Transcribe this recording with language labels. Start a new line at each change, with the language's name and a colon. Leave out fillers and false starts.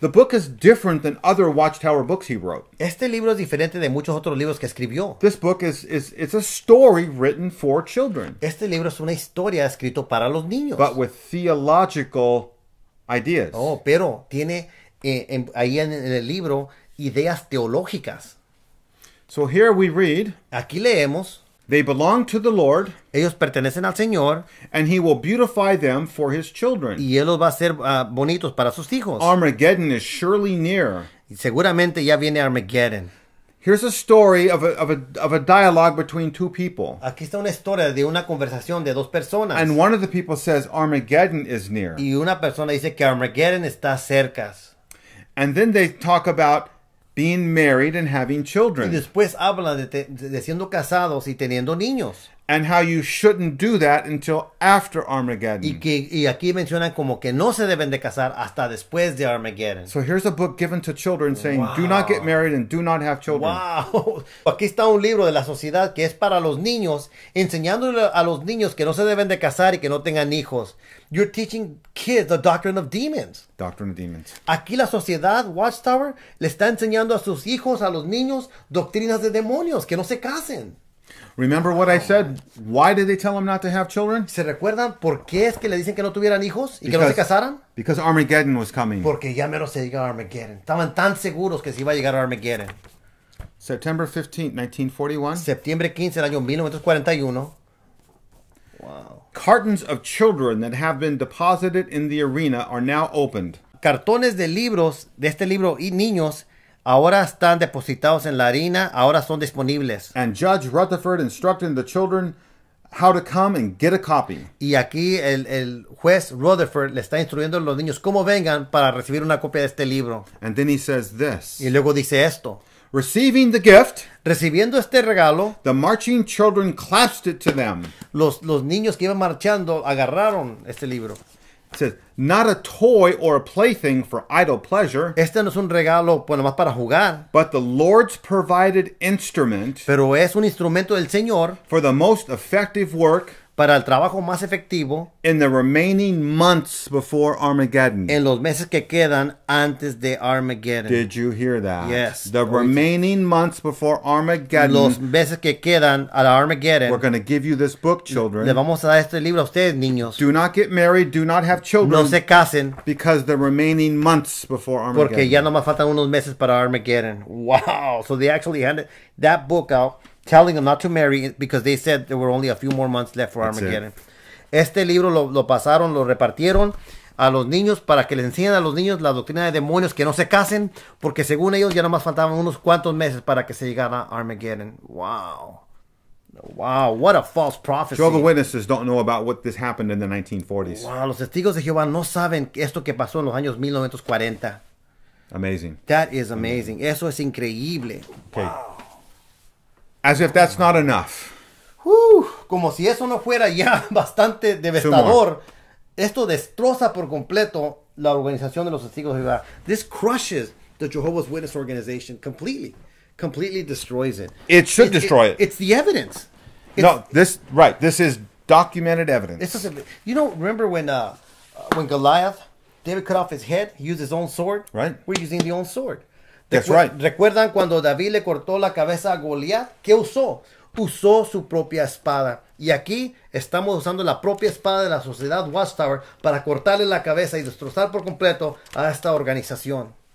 English: The book is different than other Watchtower books he wrote.
Spanish: Este libro es diferente de muchos otros libros que escribió.
English: This book is a story written for children.
Spanish: Este libro es una historia escrito para los niños.
English: But with theological ideas.
Spanish: Oh, pero tiene en el libro ideas teológicas.
English: So here we read.
Spanish: Aquí leemos.
English: They belong to the Lord.
Spanish: Ellos pertenecen al Señor.
English: And he will beautify them for his children.
Spanish: Y él los va a hacer bonitos para sus hijos.
English: Armageddon is surely near.
Spanish: Y seguramente ya viene Armageddon.
English: Here's a story of a dialogue between two people.
Spanish: Aquí está una historia de una conversación de dos personas.
English: And one of the people says Armageddon is near.
Spanish: Y una persona dice que Armageddon está cerca.
English: And then they talk about being married and having children.
Spanish: Y después habla de siendo casados y teniendo niños.
English: And how you shouldn't do that until after Armageddon.
Spanish: Y aquí mencionan como que no se deben de casar hasta después de Armageddon.
English: So here's a book given to children saying, do not get married and do not have children. Wow.
Spanish: Aquí está un libro de la sociedad que es para los niños, enseñándole a los niños que no se deben de casar y que no tengan hijos.
English: You're teaching kids the doctrine of demons. Doctrine of demons.
Spanish: Aquí la sociedad, Watchtower, le está enseñando a sus hijos, a los niños, doctrinas de demonios, que no se casen.
English: Remember what I said? Why did they tell him not to have children?
Spanish: ¿Se recuerdan por qué es que le dicen que no tuvieran hijos y que no se casaran?
English: Because Armageddon was coming.
Spanish: Porque ya mero se llega Armageddon. Estaban tan seguros que se iba a llegar Armageddon.
English: September 15, 1941.
Spanish: Septiembre 15 del año 1941.
English: Wow. Cartons of children that have been deposited in the arena are now opened.
Spanish: Cartones de libros de este libro y niños ahora están depositados en la harina, ahora son disponibles.
English: And Judge Rutherford instructed the children how to come and get a copy.
Spanish: Y aquí el juez Rutherford le está instruyendo a los niños cómo vengan para recibir una copia de este libro.
English: And then he says this.
Spanish: Y luego dice esto.
English: Receiving the gift,
Spanish: recibiendo este regalo,
English: the marching children clasped it to them.
Spanish: Los niños que iban marchando agarraron este libro.
English: It says, not a toy or a plaything for idle pleasure.
Spanish: Este no es un regalo, bueno, más para jugar.
English: But the Lord's provided instrument.
Spanish: Pero es un instrumento del Señor.
English: For the most effective work.
Spanish: Para el trabajo más efectivo.
English: In the remaining months before Armageddon.
Spanish: En los meses que quedan antes de Armageddon.
English: Did you hear that? Yes. The remaining months before Armageddon.
Spanish: Los meses que quedan a la Armageddon.
English: We're going to give you this book, children.
Spanish: Le vamos a dar este libro a ustedes, niños.
English: Do not get married. Do not have children.
Spanish: No se casen.
English: Because the remaining months before Armageddon.
Spanish: Porque ya nomás faltan unos meses para Armageddon.
English: Wow. So they actually handed that book out. Telling them not to marry because they said there were only a few more months left for That's Armageddon. It.
Spanish: Este libro lo pasaron, lo repartieron a los niños para que les enseñen a los niños la doctrina de demonios que no se casen porque según ellos ya nomás faltaban unos cuantos meses para que se llegara Armageddon.
English: Wow. Wow, what a false prophecy. Jehovah's Witnesses don't know about what this happened in the 1940s.
Spanish: Wow, los testigos de Jehová no saben esto que pasó en los años 1940.
English: Amazing. That is amazing.
Spanish: Eso es increíble.
English: Okay. Wow. As if that's not enough.
Spanish: Woo, como si eso no fuera ya bastante devastador. Esto destroza por completo la organización de los testigos de Jehová.
English: This crushes the Jehovah's Witness organization completely. Completely destroys it. It should destroy it. It's the evidence. This is documented evidence. It's just, you know, remember when Goliath, David cut off his head, he used his own sword? Right. We're using the own sword. That's right.
Spanish: ¿Recuerdan cuando David le cortó la cabeza a Goliat? ¿Qué usó? Usó su propia espada. Y aquí estamos usando la propia espada de la sociedad Watchtower para cortarle la cabeza y destrozar por completo a esta organización.